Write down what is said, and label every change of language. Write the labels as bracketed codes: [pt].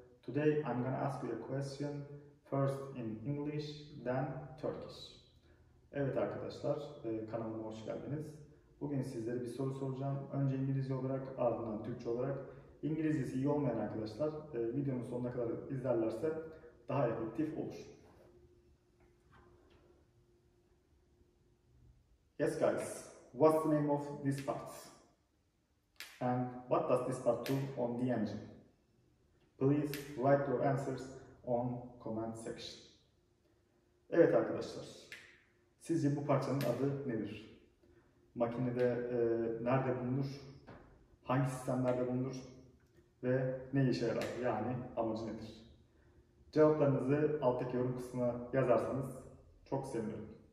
[en] Today I'm gonna ask you a question, first in English, then Turkish. [tr] Evet arkadaşlar, kanalıma hoş geldiniz. Bugün sizlere bir soru soracağım. Önce İngilizce olarak, ardından Türkçe olarak. İngilizcesi iyi olmayan arkadaşlar, videonun sonuna kadar izlerlerse daha efektif olur. [en] Yes guys, what's the name of this part? And what does this part do on the engine? Please write your answers on comment section. [tr] Evet arkadaşlar, sizce bu parçanın adı nedir? Makinede nerede bulunur? Hangi sistemlerde bulunur? Ve ne işe yarar? Yani amacı nedir? Cevaplarınızı alttaki yorum kısmına yazarsanız çok sevinirim.